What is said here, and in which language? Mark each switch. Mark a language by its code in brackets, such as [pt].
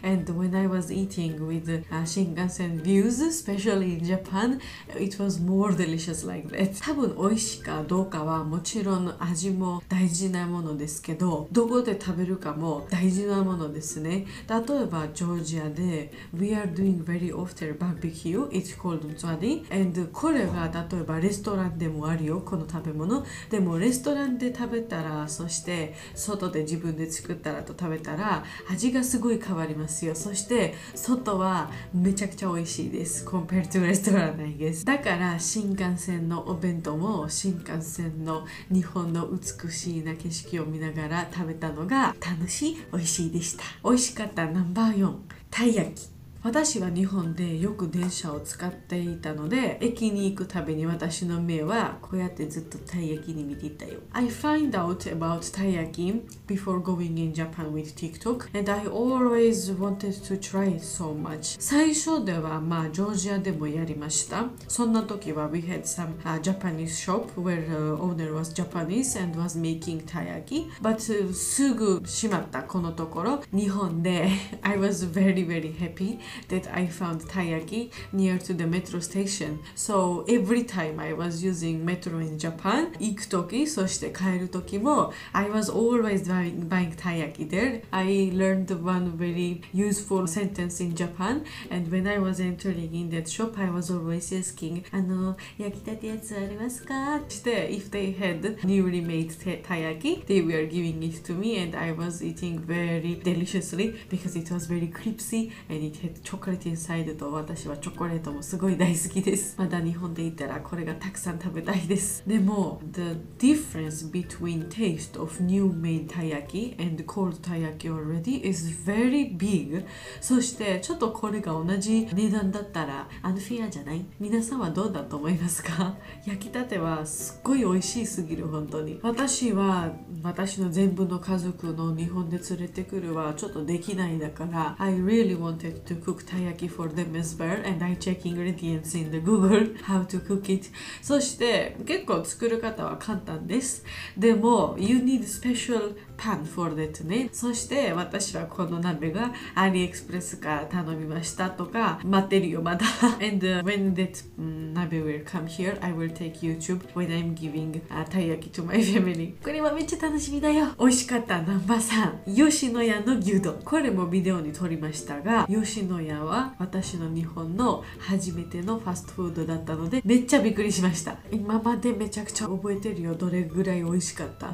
[en] And when I was eating with Shinkansen views, especially in Japan, it was more delicious like that. [ja] 多分美味しいかどうかはもちろん味も大事なものですけど、どこで食べるかも大事なものですね。例えばジョージアで [en] We are doing very often barbecue. It's called mtsuadi. [ja] And これが例えばレストランでもあるよ、この食べ物。でもレストランで食べたら、そして外で自分で作ったらと食べたら味がすごい変わりますよ。そして外はめちゃくちゃ美味しいです。 [en] compared to restaurant I guess。 [ja] だから新幹線のお弁当も、新幹線の日本の美しいな景色を見ながら食べたのが楽しい、美味しいでした。美味しかったナンバー4、たい焼き。私は日本でよく電車を使っていたので、駅に行くたびに私の目はこうやってずっとたい焼きに見ていたよ。 [en] I find out about たい焼き before going in Japan with TikTok and I always wanted to try it so much. [ja] 最初ではまあジョージアでもやりました。そんな時は [en] We had some Japanese shop where owner was Japanese and was making たい焼き but [ja] すぐ閉まった。このところ日本で [en] I was very very happyThat I found taiyaki near to the metro station. So every time I was using metro in Japan, [ja] 行く時、そして帰る時も [en] I was always buying taiyaki there. I learned one very useful sentence in Japan. And when I was entering in that shop, I was always asking, [ja] 焼きたてやつありますか? [en] して、if they had newly made taiyaki, they were giving it to me and I was eating very deliciously because it was very crispy and it had [ja] チョコレートインサイドと、私はチョコレートもすごい大好きです。まだ日本でいたらこれがたくさん食べたいです。 [en] でも The difference between taste of new made たい焼き and cold たい焼き already is very big。 [ja] そしてちょっとこれが同じ値段だったらアンフィアじゃない？皆さんはどうだと思いますか？焼きたてはすっごい美味しいすぎる。本当に私は私の全部の家族の日本で連れてくるはちょっとできないだから、 [en] I really wanted toCook taiyaki for them as well, and I check ingredients in the Google how to cook it. [ja] そして結構作る方は簡単です。 [en] でも you need special pan for that ね。 [ja] そして私はこの鍋がアリエクスプレスから頼みましたとか、待ってるよまだ。 [en] And when that 鍋 will come here, I will take YouTube when I'm giving taiyaki to my family. [ja] これはめっちゃ楽しみだよ。美味しかったナンバー3、吉野家の牛丼。これもビデオに撮りましたが、吉野家野は私の日本の初めてのファストフードだったのでめっちゃびっくりしました。今までめちゃくちゃ覚えてるよ、どれぐらい美味しかった。